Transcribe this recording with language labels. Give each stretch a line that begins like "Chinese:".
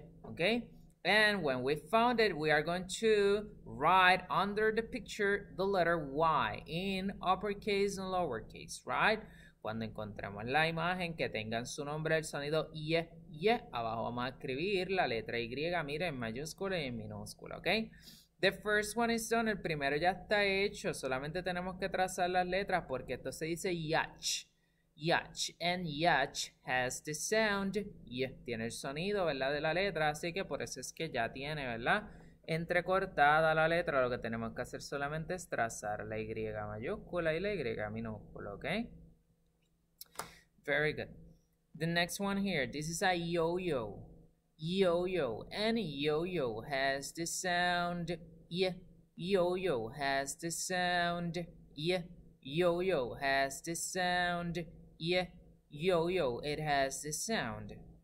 English: Okay, and when we found it, we are going to write under the picture the letter Y in uppercase and lowercase, right?
Spanish: Cuando encontremos la imagen que tenga en su nombre el sonido Y, abajo vamos a escribir la letra Y, mira, en mayúscula y en minúscula, okay?
English: The first one is done,
Spanish: el primero ya está hecho, solamente tenemos que trazar las letras porque esto se dice Yach. Yach,
English: and yach has the sound y,
Spanish: tiene el sonido, ¿verdad?, de la letra, así que por eso es que ya tiene, ¿verdad?, entrecortada la letra. Lo que tenemos que hacer solamente es trazar la Y mayúscula y la Y minúscula, ¿ok?
English: Very good. The next one here, this is a yo-yo. Yo-yo, and yo-yo has the sound y, yo-yo has the sound y, yo-yo has the sound y. Yeah, yo-yo, it has the sound.